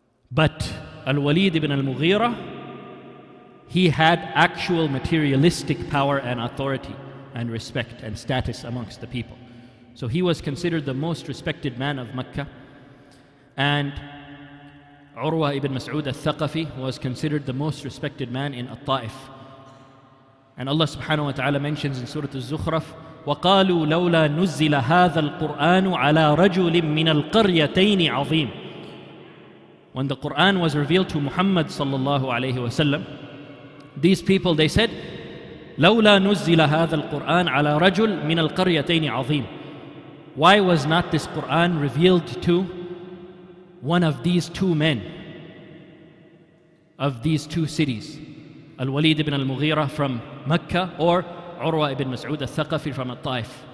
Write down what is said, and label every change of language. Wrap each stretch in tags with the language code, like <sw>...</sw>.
<en>But Al-Walid ibn al-Mughira, he had actual materialistic power and authority and respect and status amongst the people. So he was considered the most respected man of Mecca. And Urwa ibn Mas'ud al-Thaqafi was considered the most respected man in At-Ta'if. And Allah subhanahu wa ta'ala mentions in Surah Al-Zukhraf,</en> <ar>وَقَالُوا لَوْلَا نُزِّلَ هَذَا الْقُرْآنُ عَلَىٰ رَجُلٍ مِّنَ الْقَرْيَتَيْنِ عَظِيمٍ.</ar> <en>When the Qur'an was revealed to Muhammad sallallahu alayhi wa sallam, these people, they said,</en> <ar>لَوْلَا نُزِّلَ هَذَا الْقُرْآنُ عَلَىٰ رَجُلٍ مِّنَ الْقَرْيَتَيْنِ عَظِيمٍ.</ar> <en>Why was not this Qur'an revealed to one of these two men of these two cities, Al-Walid ibn al-Mughira from Mecca or Urwa ibn Mas'ud al-Thaqafi from At-Taif?</en>